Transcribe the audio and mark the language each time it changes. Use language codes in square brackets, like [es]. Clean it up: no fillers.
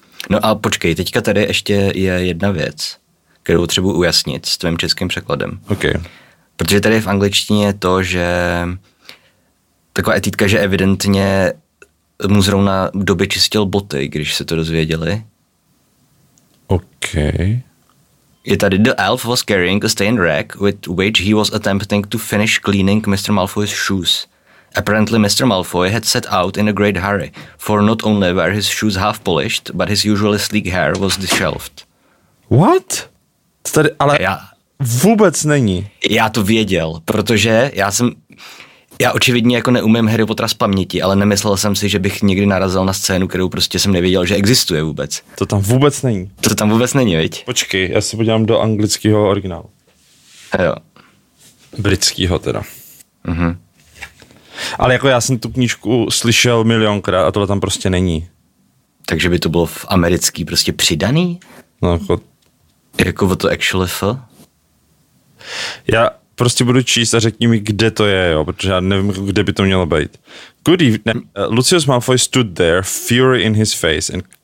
[cs] No a počkej, teďka tady ještě je jedna věc, kterou potřebuji ujasnit s tvým českým překladem. [en] Okay. [cs] Protože tady v angličtině je to, že taková etýtka, že evidentně mu zrovna v době čistil boty, když se to dozvěděli. [en] OK. [cs] Je tady: [en] the elf was carrying a stained rag with which he was attempting to finish cleaning Mr. Malfoy's shoes. Apparently Mr. Malfoy had set out in a great hurry, for not only were his shoes half polished, but his usually sleek hair was disheveled. What? [cs] To tady ale já, vůbec není. Já to věděl, protože já očividně jako neumím Harry Pottera z paměti, ale nemyslel jsem si, že bych někdy narazil na scénu, kterou prostě jsem nevěděl, že existuje vůbec. To tam vůbec není. To tam vůbec není, viď? Počkej, já se podívám do anglického originálu. A jo. Britskýho teda. Mhm. Ale jako já jsem tu knížku slyšel milionkrát a tohle tam prostě není. Takže by to bylo v americký prostě přidaný? No jako... Jako to actually f? Já prostě budu číst a řekni mi, kde to je, jo, protože já nevím, kde by to mělo být. [en] Good evening. Lucius Malfoy stood there, fury in his face and...